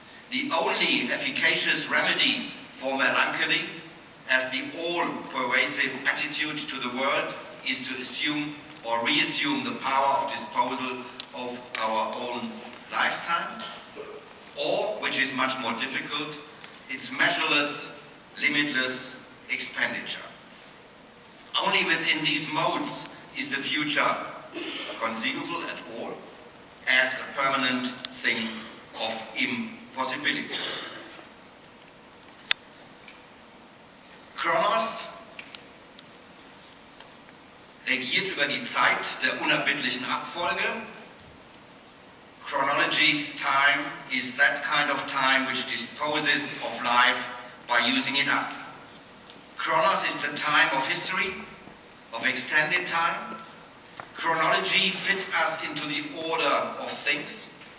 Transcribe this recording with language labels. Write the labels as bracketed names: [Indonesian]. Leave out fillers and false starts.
[English] The only efficacious remedy for melancholy as the all-pervasive attitude to the world is to assume or reassume the power of disposal of our own lifetime, or, which is much more difficult, its measureless, limitless expenditure. Only within these modes is the future conceivable at all as a permanent thing of impossibility. [German] Kronos regiert über die Zeit der unerbittlichen Abfolge. [English] Chronology's time is that kind of time which disposes of life by using it up. Kronos is the time of history, of extended time. chronology fits us into the order of things.